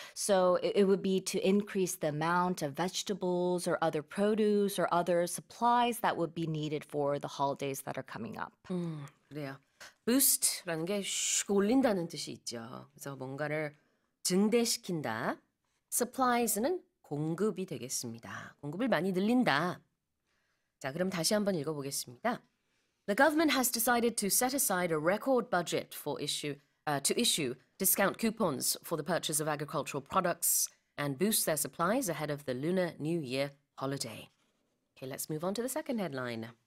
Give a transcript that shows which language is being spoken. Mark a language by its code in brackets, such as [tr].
[en] So it would be to increase the amount of vegetables or other produce or other supplies that would be needed for the holidays that are coming up. [ko] 그래요. Boost라는 게 슉 올린다는 뜻이 있죠. 그래서 뭔가를 증대시킨다. Supplies는? 공급이 되겠습니다. 공급을 많이 늘린다. 자, 그럼 다시 한번 읽어보겠습니다. [en] The government has decided to set aside a record budget for to issue discount coupons for the purchase of agricultural products and boost their supplies ahead of the Lunar New Year holiday. Okay, let's move on to the second headline.